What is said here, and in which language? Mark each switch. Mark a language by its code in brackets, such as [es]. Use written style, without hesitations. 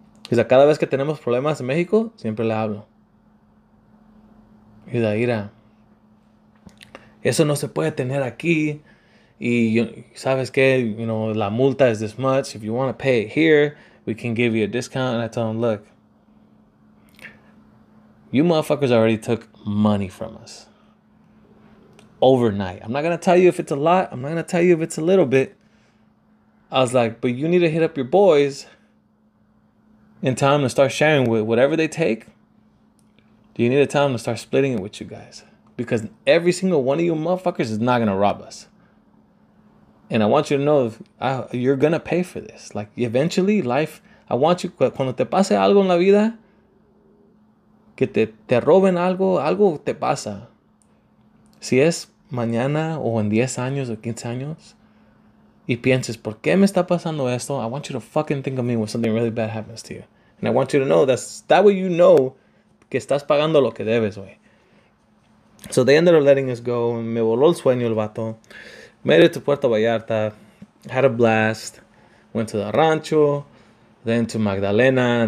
[en] He's like, [es] "Cada vez que tenemos problemas en México, siempre le hablo." He's like, "Mira, eso no se puede tener aquí. Y sabes que, [en] you know, [es] la multa [en] is this much. If you want to pay it here, we can give you a discount." And I told him, "Look, you motherfuckers already took money from us. Overnight. I'm not going to tell you if it's a lot. I'm not going to tell you if it's a little bit." I was like, "But you need to hit up your boys and tell them to start sharing with whatever they take. Do you need to tell them to start splitting it with you guys? Because every single one of you motherfuckers is not going to rob us. And I want you to know you're going to pay for this. Like, eventually, life, I want you, [es] cuando te pase algo en la vida, que te roben algo, algo te pasa. Si es mañana o en 10 años o 15 años, y pienses, ¿por qué me está pasando esto? [en] I want you to fucking think of me when something really bad happens to you. And I want you to know that way you know [es] que estás pagando lo que debes, güey." [en] So they ended up letting us go. [es] Me voló el sueño el vato. [en] Made it to Puerto Vallarta. Had a blast. Went to the rancho. Then to Magdalena.